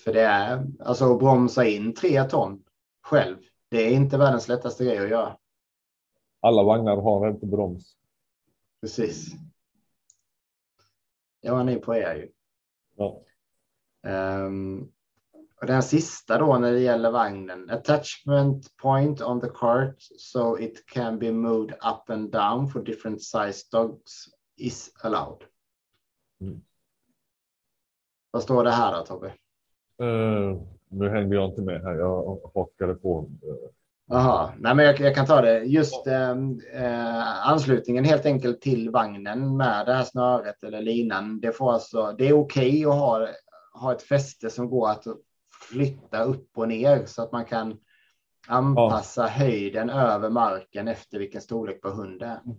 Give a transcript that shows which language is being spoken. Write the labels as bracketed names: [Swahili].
[Swedish] För det är, alltså att bromsa in 3 ton själv. Det är inte världens lättaste grej att göra. Alla vagnar har inte broms. Precis. Jag var ny på er ju. Ja. Och den sista då när det gäller vagnen. [English] Attachment point on the cart so it can be moved up and down for different size dogs is allowed. Mm. [Swedish] Vad står det här då, Tobbe? Nu hängde jag inte med här. Jag hakade på. Aha. Nej, men jag kan ta det. Just anslutningen helt enkelt till vagnen med det här snöret eller linan. Det får alltså, det är okej att ha ett fäste som går att flytta upp och ner så att man kan anpassa höjden över marken efter vilken storlek på hunden.